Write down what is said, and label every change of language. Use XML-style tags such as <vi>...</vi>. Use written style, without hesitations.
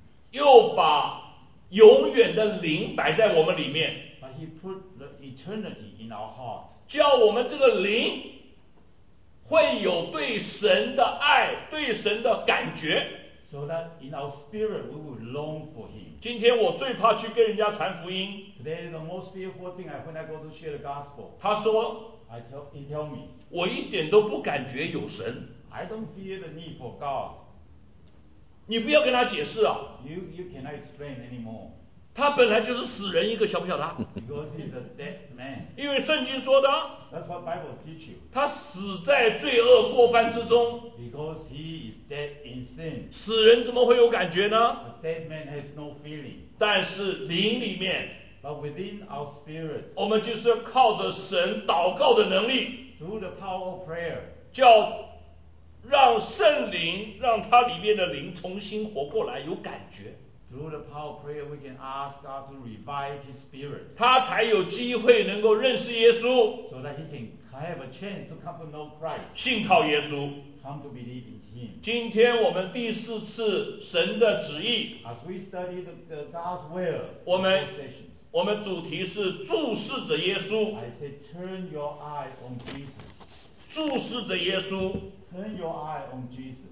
<zh>又把永远的灵摆在我们里面。</zh> <en>But he put the eternity in our heart.</en> <zh>叫我们这个灵会有对神的爱，对神的感觉。</zh> <en>So that in our spirit we will long for him.</en> <zh>今天我最怕去跟人家传福音。</zh> <en>Today the most fearful thing I when I go to share the gospel.</en> <zh>他说</zh> <en>，He tell me.</en> <zh>我一点都不感觉有神。</zh> <en>I don't feel the need for God.</en> <zh>你不要跟他解释啊。</zh> <en>You cannot explain anymore.</en> <zh>他本来就是死人一个，晓不晓得？</zh> <en>Because he's a dead man.</en> <zh>因为圣经说的。</zh> <en>That's what Bible teach you.</en> <zh>他死在罪恶过犯之中。</zh> <en>Because he is dead in sin.</en> <zh>死人怎么会有感觉呢？</zh> <en>A dead man has no feeling.</en> <zh>但是灵里面。</zh> <en>But within our spirit.</en> <zh>我们就是靠着神祷告的能力。</zh> <en>Through the power of prayer.</en> <zh>叫让圣灵，让他里面的灵重新活过来，有感觉。</zh> <en>Through the power of prayer, we can ask God to revive His spirit.</en> <zh>他才有机会能够认识耶稣。</zh> <en>So that he can have a chance to come to know Christ.</en> <zh>信靠耶稣。</zh> <en>Come to believe in Him.</en> <zh>今天我们第四次神的旨意。</zh> <en>As we study the God's will.</en> <zh>我们主题是注视着耶稣。</zh> <en>I say, turn your eye on Jesus.</en> <zh>注视着耶稣。</zh> <en>Turn your eye on Jesus.</en>